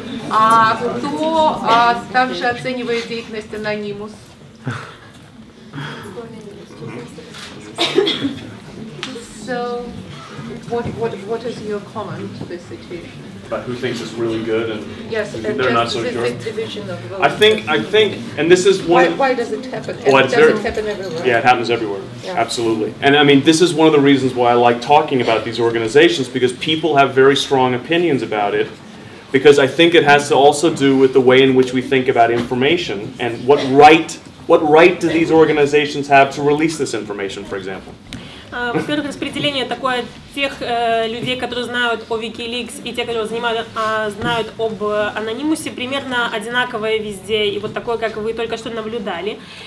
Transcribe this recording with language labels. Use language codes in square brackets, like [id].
[ru] А кто также оценивает деятельность анонимус? [en] So, what is your comment to this situation? About who thinks it's really good and yes, they're and not so sure. I think, and this is one. Why does it happen? Does it happen everywhere? Yeah, it happens everywhere. Yeah. Absolutely. And I mean, this is one of the reasons why I like talking about these organizations, because people have very strong opinions about it, because I think it has to also do with the way in which we think about information and what right do these organizations have to release this information, for example. [ru] Во-первых, распределение такое тех людей, которые знают о Wikileaks, и тех, которые знают об анонимусе, примерно одинаковое везде, и вот такое, как вы только что наблюдали.